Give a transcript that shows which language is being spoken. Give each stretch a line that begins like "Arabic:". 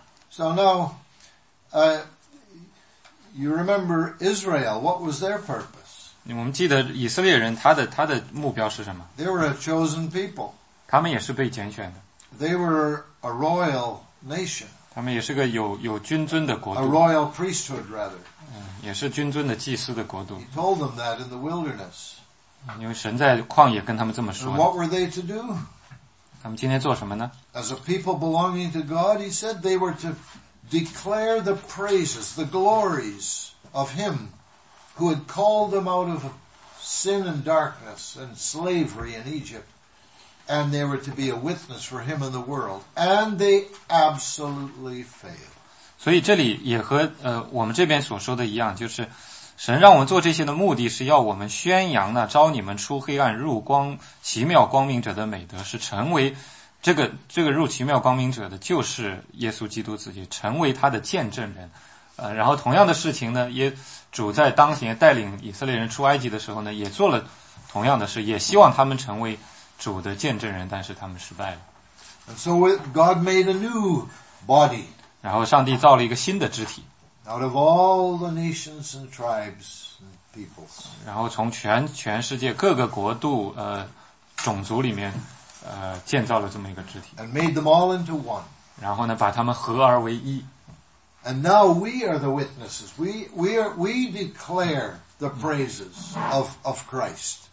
English: So now, you remember Israel, what was their purpose?
Chinese: 我们记得以色列人他的目标是什么?
English: They were a chosen people.
Chinese: 他们也是被拣选的。
English: They were a royal nation.
Chinese: 他们也是个有君尊的国度。
English: A royal priesthood, rather.
Chinese: 也是君尊的祭司的国度。
English: He told them that in the wilderness.
Chinese: 因为神在旷野跟他们这么说。
English: And what were they to do?
Chinese: 他们今天做什么呢?
English: As a people belonging to God, he said they were to declare the praises, the glories of him who had called them out of sin and darkness and slavery in Egypt. And they were to be a witness for him in the world. And they absolutely failed.
Chinese: 所以这里也和我们这边所说的一样，就是神让我们做这些的目的是要我们宣扬呢，招你们出黑暗入光奇妙光明者的美德，是成为这个入奇妙光明者的就是耶稣基督自己，成为他的见证人。然后同样的事情呢，也主在当前带领以色列人出埃及的时候呢，也做了同样的事，也希望他们成为主的见证人，但是他们失败了。
English: And so God made a new body.
Chinese: 然后上帝造了一个新的肢体。
English: Out of all the nations and tribes and peoples.
Chinese: 然后从全世界各个国度种族里面建造了这么一个肢体。
English: And made them all into one.
Chinese: 然后呢把他们合而为一。
English: And now we are the witnesses. We declare the praises of Christ.